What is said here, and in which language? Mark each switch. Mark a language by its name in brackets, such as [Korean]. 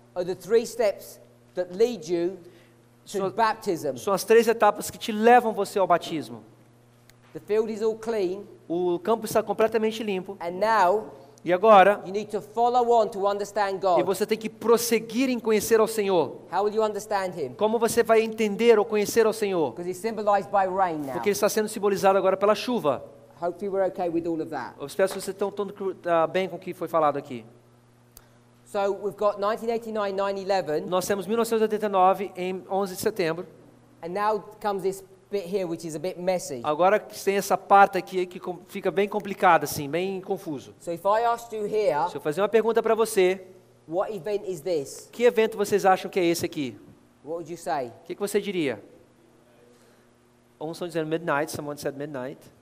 [English] Are the 3 steps that lead you to baptism. [Portuguese] São as três etapas que te levam você ao batismo. [English] The field is all clean. [Portuguese] O campo está completamente limpo. [English] And now, [Portuguese] e agora, [English] you need to follow on to understand God. [Portuguese] E você tem que prosseguir em conhecer ao Senhor. [English] How will you understand him? [Portuguese] Como você vai entender ou conhecer ao Senhor? [English] Because he's symbolized by rain now. [Portuguese] Porque ele está sendo simbolizado agora pela chuva. [English] Hopefully we're okay with all of that. [Portuguese] Eu espero que vocês estão tão bem com o que foi falado aqui. [English] So we've got 1989, 9/11. [Portuguese] Nós temos 1989 em 11 de setembro. [English] And now comes this bit here, which is a bit messy. [Portuguese] Agora tem essa parte aqui que fica bem complicada, assim, bem confuso. [English] So if I asked you here, [Portuguese] se eu fazer uma pergunta para você, [English] what event is this? [Portuguese] Que evento vocês acham que é esse aqui? [English] What would you say? [Portuguese] Que você diria? [English] Someone said midnight. Someone said midnight.